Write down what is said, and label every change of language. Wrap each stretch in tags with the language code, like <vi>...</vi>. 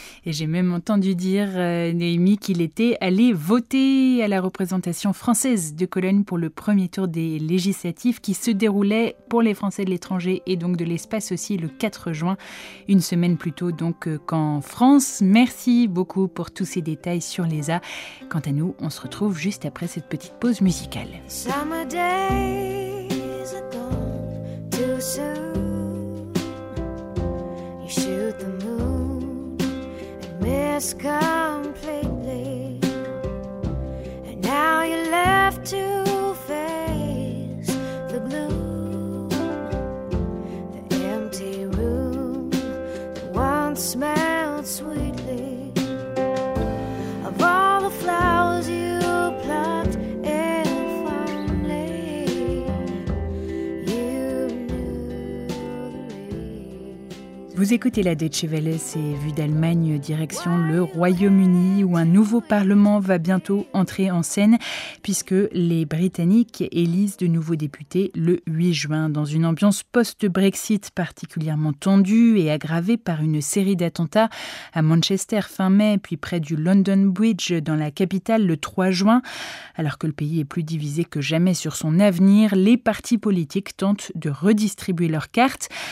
<fr>Et j'ai même entendu dire, Noémie, qu'il était allé voter à la représentation française de Cologne pour le premier tour des législatives qui se déroulait pour les Français de l'étranger et donc de l'espace aussi le 4 juin, une semaine plus tôt donc qu'en France. Merci beaucoup pour tous ces détails sur l'ESA. Quant à nous, on se retrouve juste après cette petite pause musicale.</fr> <en>Summer days are gone too soon. You shoot the moon and miss completely. And now you're left to face the gloom. The empty room that once smelled sweetly. Of all the flowers you plucked and finally you knew the.</en> <fr>Vous écoutez la Deutsche Welle, c'est Vue d'Allemagne, direction le Royaume-Uni, où un nouveau parlement va bientôt entrer en scène, puisque les Britanniques élisent de nouveaux députés le 8 juin. Dans une ambiance post-Brexit particulièrement tendue et aggravée par une série d'attentats à Manchester fin mai, puis près du London Bridge dans la capitale le 3 juin, alors que le pays est plus divisé que jamais sur son avenir, les partis politiques tentent de redistribuer leurs cartes.</fr>